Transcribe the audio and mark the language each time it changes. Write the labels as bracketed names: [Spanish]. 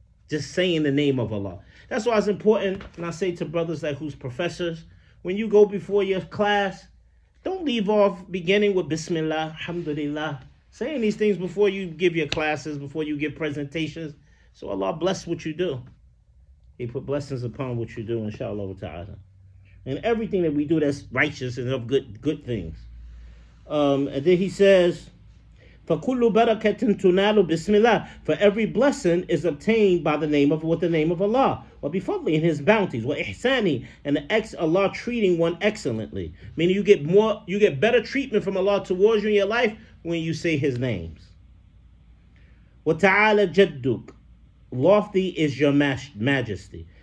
[English] Just saying the name of Allah. That's why it's important, and I say to brothers like who's professors, when you go before your class, don't leave off beginning with Bismillah, Alhamdulillah. Saying these things before you give your classes, before you give presentations, so Allah bless what you do. He put blessings upon what you do, inshallah ta'ala. And everything that we do that's righteous and of good things. And then he says, [Arabic] فَكُلُّ بَرَكَةٍ تُنَالُ بِسْمِ اللَّهِ. [English] For every blessing is obtained by the name of, with the name of Allah. [Arabic] وَبِفَضْلِ [English] in his bounties. [Arabic] وَإِحْسَانِ [English] and Allah treating one excellently. Meaning you get more, you get better treatment from Allah towards you in your life when you say his names. [Arabic] وَتَعَالَ جَدُّكَ. [English] Lofty is your majesty.